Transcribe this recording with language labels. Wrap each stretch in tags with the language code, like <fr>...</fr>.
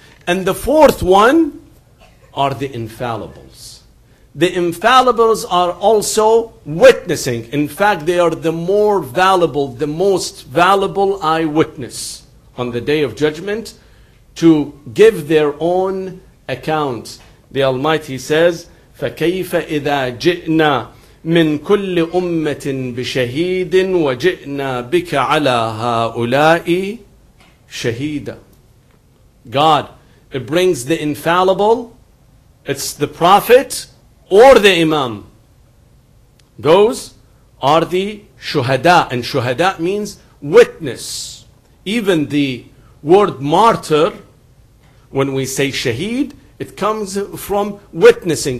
<en>And the fourth one are the infallibles. The infallibles are also witnessing. In fact, they are the more valuable, the most valuable eyewitness on the day of judgment to give their own account. The Almighty says,</en> <ar>فَكَيْفَ إِذَا جِئْنَا مِنْ كُلِّ أُمَّةٍ بِشَهِيدٍ وَجِئْنَا بِكَ عَلَىٰ هَٰؤُلَاءِ شَهِيدًا.</ar> <en>God, it brings the infallible, it's the prophet or the imam. Those are the shuhada, and shuhada means witness. Even the word martyr, when we say shaheed, it comes from witnessing.</en>